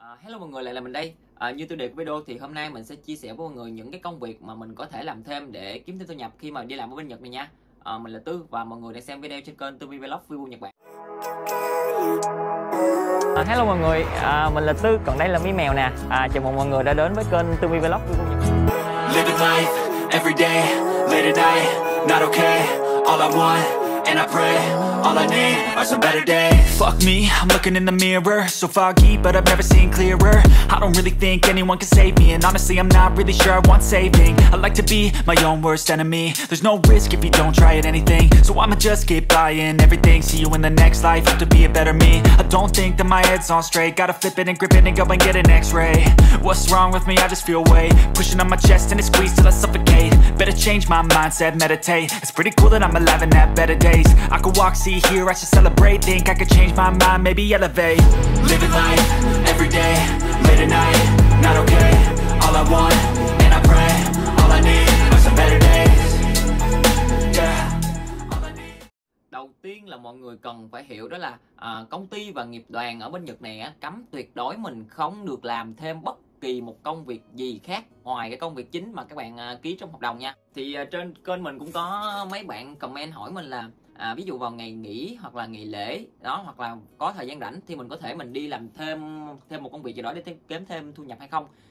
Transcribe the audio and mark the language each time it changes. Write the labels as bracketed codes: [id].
[vi] Hello mọi người, lại là mình đây. Như tôi đề cái video thì hôm nay mình sẽ chia sẻ với mọi người những cái công việc mà mình có thể làm thêm để kiếm thêm thu nhập khi mà đi làm ở bên Nhật này nha. Mình là Tư và mọi người đang xem video trên kênh Tư Vlog Vui Nhật Bản. Hello mọi người, mình là Tư, còn đây là Mi Mèo nè. Chào mừng mọi người đã đến với kênh Tư Vlog Vui Nhật Bản. [en] Life, every day, late at night, not okay, all I want. And I pray, all I need are some better days. Fuck me, I'm looking in the mirror. So foggy, but I've never seen clearer. I don't really think anyone can save me. And honestly, I'm not really sure I want saving. I like to be my own worst enemy. There's no risk if you don't try at anything. So I'ma just keep buying everything. See you in the next life, hope to be a better me. I don't think that my head's on straight. Gotta flip it and grip it and go and get an x-ray. What's wrong with me? I just feel weight pushing on my chest and it squeezes till I suffocate. Better change my mindset, meditate. It's pretty cool that I'm alive and have better days. I could walk, see, hear, I should celebrate. Think I could change my mind, maybe elevate. Living life, every day, late at night, not okay. All I want, and I pray, all I need are some better days. Yeah, all I need. [vi] Đầu tiên là mọi người cần phải hiểu đó là công ty và nghiệp đoàn ở bên Nhật này cấm tuyệt đối mình không được làm thêm bất kỳ một công việc gì khác ngoài cái công việc chính mà các bạn ký trong hợp đồng nha. Thì trên kênh mình cũng có mấy bạn comment hỏi mình là ví dụ vào ngày nghỉ hoặc là ngày lễ đó, hoặc là có thời gian rảnh thì mình có thể mình đi làm thêm một công việc gì đó để kiếm thêm thu nhập hay không.